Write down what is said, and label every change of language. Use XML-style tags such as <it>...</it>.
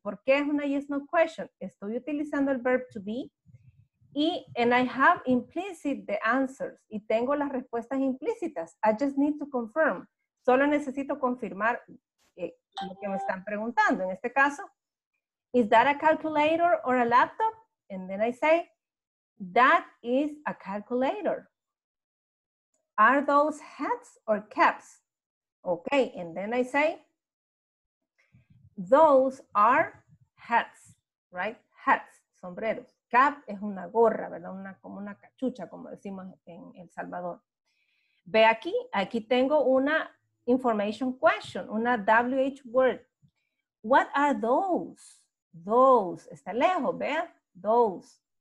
<es>¿Por qué es una yes, no question? Estoy utilizando el verb to be.</es> <en>And I have implicit the answers.</en> <es>Y tengo las respuestas implícitas.</es> <en>I just need to confirm.</en> <es>Solo necesito confirmar lo que me están preguntando. En este caso,</es> <en>is that a calculator or a laptop? And then I say, that is a calculator. Are those hats or caps? Okay, and then I say, those are hats, right?</en> <es>Hats, sombreros. Cap es una gorra, ¿verdad? Una, como una cachucha, como decimos en El Salvador. Ve aquí, aquí tengo una information question, una WH word.</es> <en>What are those? Those,</en> <es>está lejos, vea,</es> <en>those.</en>